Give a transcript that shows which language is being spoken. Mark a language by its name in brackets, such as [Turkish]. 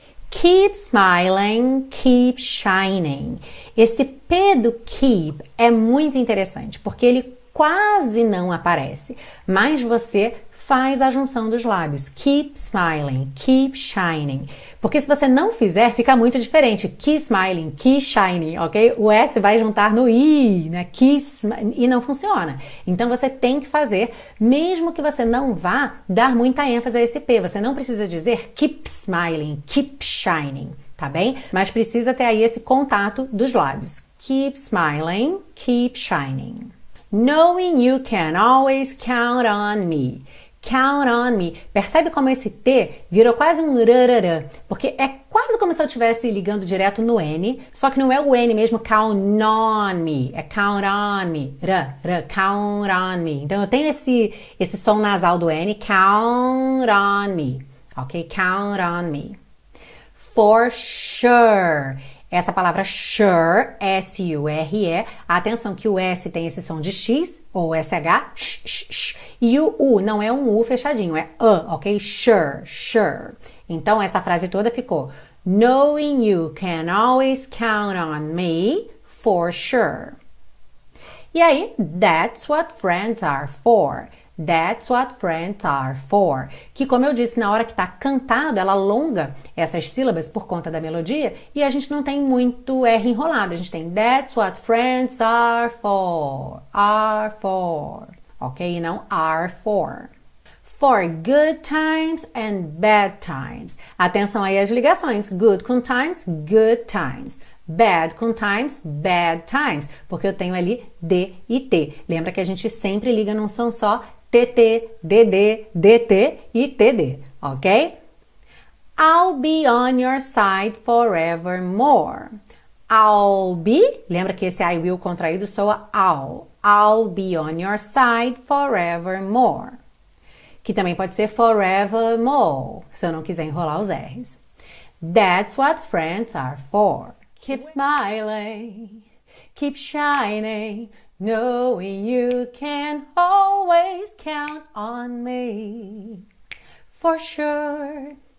[English] Keep smiling, keep shining. [Portuguese] Esse P do keep é muito interessante, porque ele quase não aparece, mas você faz a junção dos lábios. [English] Keep smiling, keep shining. [Portuguese] Porque se você não fizer, fica muito diferente. [English] Keep smiling, keep shining, ok? [Portuguese] O S vai juntar no I, né? E não funciona. Então você tem que fazer, mesmo que você não vá dar muita ênfase a esse P. Você não precisa dizer [English] keep smiling, keep shining, [Portuguese] tá bem? Mas precisa ter aí esse contato dos lábios. [English] Keep smiling, keep shining. Knowing you can always count on me. Count on me. [Portuguese] Percebe como esse T virou quase um rarara, porque é quase como se eu estivesse ligando direto no N, só que não é o N mesmo, [English] count on me. É count on me. Count on me. [Portuguese] Então eu tenho esse som nasal do N, [English] count on me. [Portuguese] Ok? [English] Count on me. For sure. [Portuguese] Essa palavra sure, S-U-R-E, atenção que o S tem esse som de X, ou S-H, sh, e o U não é um U fechadinho, é U, ok? [English] Sure, sure. [Portuguese] Então essa frase toda ficou, [English] knowing you can always count on me for sure. E aí, that's what friends are for. That's what friends are for. [Portuguese] Que, como eu disse, na hora que está cantado, ela alonga essas sílabas por conta da melodia e a gente não tem muito R enrolado. A gente tem [English] that's what friends are for. Are for. Ok? [Portuguese] E não [English] are for. For good times and bad times. [Portuguese] Atenção aí às ligações. Good com times, [English] good times. [Portuguese] Bad com times, [English] bad times. [Portuguese] Porque eu tenho ali D e T. Lembra que a gente sempre liga num som só. TT, DD, DT e TD, ok? [English] I'll be on your side forevermore. I'll be, [Portuguese] lembra que esse I will contraído soa I'll. [English] I'll be on your side forevermore. [Portuguese] Que também pode ser forevermore, se eu não quiser enrolar os R's. [English] That's what friends are for. Keep smiling, keep shining. Knowing you can always count on me, for sure.